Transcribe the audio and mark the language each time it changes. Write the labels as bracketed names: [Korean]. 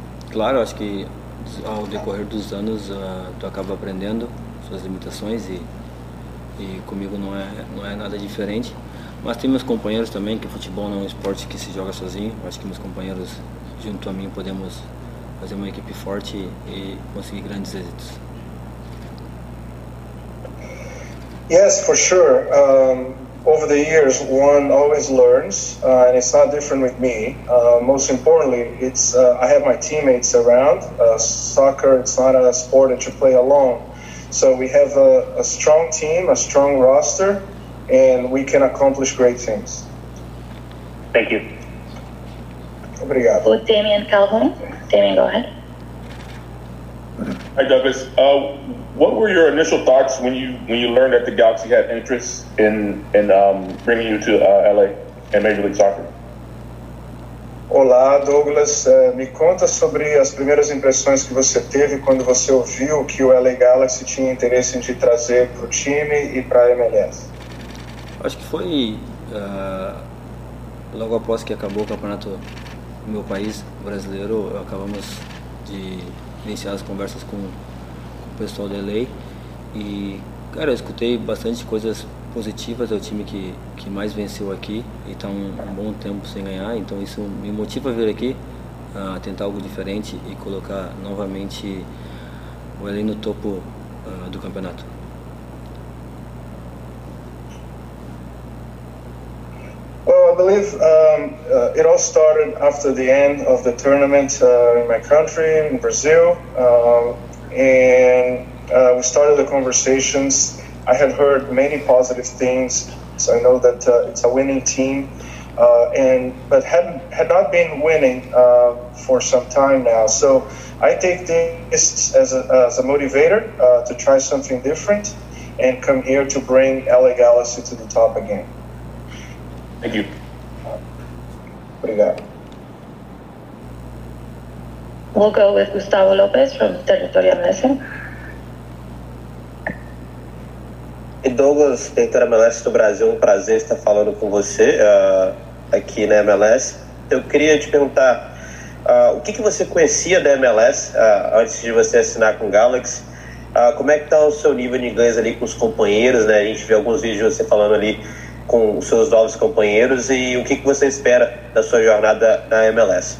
[Portuguese] Claro, acho que ao decorrer dos anos, tu acaba aprendendo suas limitações e comigo não é nada diferente. Mas tem meus companheiros também, que futebol não é um esporte que se joga sozinho. Acho que meus companheiros, junto a mim, podemos fazer uma equipe forte e conseguir grandes êxitos. [English] Yes, for sure. Over the years, one always learns, and it's not different with me. Most importantly, it's I have my teammates around. Soccer, it's not a sport that you play alone. So we have a strong team, a strong roster, and we can accomplish great things. Thank you. [Portuguese] Obrigado. [English] With Damian Calhoun. Damian, go ahead. Hi, Douglas. What were your initial thoughts when you learned that the Galaxy had interest in bringing you to LA and Major League Soccer? [Portuguese] Olá, Douglas. Me conta sobre as primeiras impressões que você teve quando você ouviu que o LA Galaxy tinha interesse em te trazer para o time e para a MLS. Acho que foi logo após que acabou o campeonato no meu país, brasileiro, acabamos de iniciar as conversas com o pessoal da LA. E, cara, eu escutei bastante coisas positivas. É o time que mais venceu aqui e está um bom tempo sem ganhar. Então isso me motiva a vir aqui a tentar algo diferente e colocar novamente o LA no topo do campeonato. [English] I believe it all started after the end of the tournament in my country, in Brazil, and we started the conversations. I had heard many positive things, so I know that it's a winning team, but had not been winning for some time now. So I take this as a motivator to try something different and come here to bring LA Galaxy to the top again. Thank you. We'll go with Gustavo Lopez from Territorial MLS. Hey Douglas, [Portuguese] Territorial MLS do Brasil, um prazer estar falando com você aqui na MLS. Eu queria te perguntar o que você conhecia da MLS antes de você assinar com o Galaxy? Como é que está o seu nível de inglês ali com os companheiros, né? A gente vê alguns vídeos de você falando ali com os seus novos companheiros e o que você espera da sua jornada na MLS?